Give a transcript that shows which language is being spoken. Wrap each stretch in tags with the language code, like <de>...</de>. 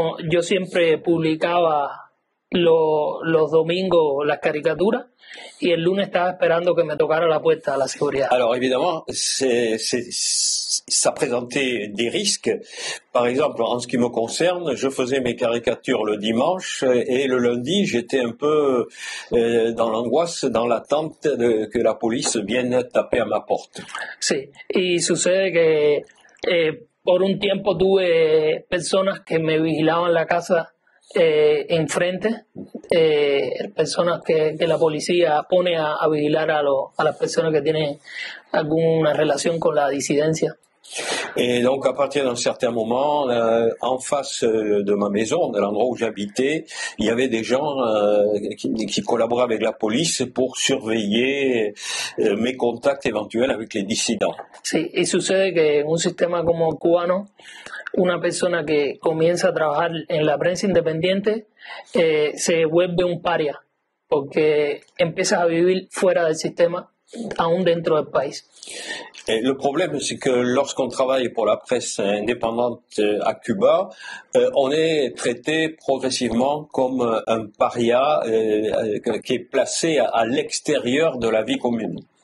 <es>Yo siempre publicaba los domingos las caricaturas y el lunes estaba esperando que me tocara la puerta a la seguridad.</es> <fr>Alors évidemment, ça présentait des risques. Par exemple, en ce qui me concerne, je faisais mes caricatures le dimanche et le lundi, j'étais un peu dans l'angoisse, dans l'attente de que la police vienne taper à ma porte.</fr> <es>Sí, y sucede que por un tiempo tuve personas que me vigilaban la casa enfrente, personas que la policía pone a vigilar a las personas que tienen alguna relación con la disidencia.</es> <fr>Et donc à partir d'un certain moment, en face de ma maison, de l'endroit où j'habitais, il y avait des gens qui collaboraient avec la police pour surveiller mes contacts éventuels avec les dissidents.</fr> <es>Sí, y sucede que en un sistema como el cubano, una persona que comienza a trabajar en la prensa independiente se vuelve un paria, porque empiezas a vivir fuera del sistema. Aún dentro del país.</es> <fr>Et le problème, c'est que lorsqu'on travaille pour la presse indépendante à Cuba, on est traité progressivement comme un paria qui est placé à l'extérieur de la vie commune.</fr>